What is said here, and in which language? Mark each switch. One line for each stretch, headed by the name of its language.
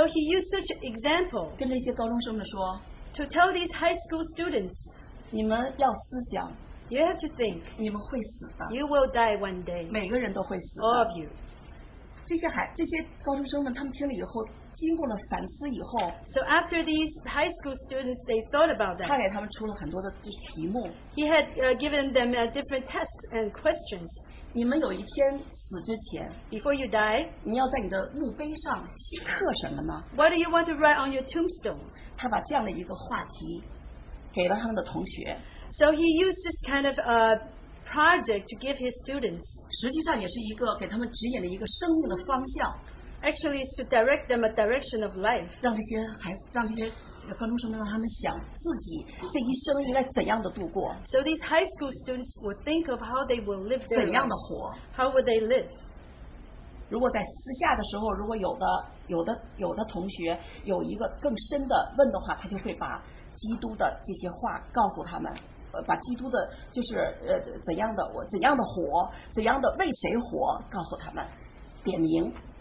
English: he used such example.
Chinese: 跟那些高中生们说。To
English: tell these high school students.
Chinese: 你们要思想。
English: You have to think.
Chinese: 你们会死的,
English: you will die one day.
Chinese: 每个人都会死的,
English: all of you.
Chinese: 这些高中生们, 他们听了以后, 经过了反思以后,
English: so after these high school students, they thought about that.
Chinese: 他给他们出了很多的题目,
English: he had given them different tests and questions.
Chinese: 你们有一天死之前,
English: before you die,
Chinese: 你要在你的墓碑上刻什么呢?
English: What do you want to write on your tombstone?
Chinese: 他把这样的一个话题给了他们的同学。
English: So he used this kind of a project to give his students.
Chinese: 实际上也是一个给他们指引了一个生命的方向。
English: Actually, it's to direct them a direction of life.
Chinese: 让这些观众生们让他们想自己这一生应该怎样的度过。
English: So these high school students would think of how they will live their life.
Chinese: 怎样的活。
English: How would they live?
Chinese: 如果在私下的时候，如果有的同学有一个更深的问的话，他就会把基督的这些话告诉他们。把基督的，就是怎样的我，怎样的活，怎样的为谁活，告诉他们，点名。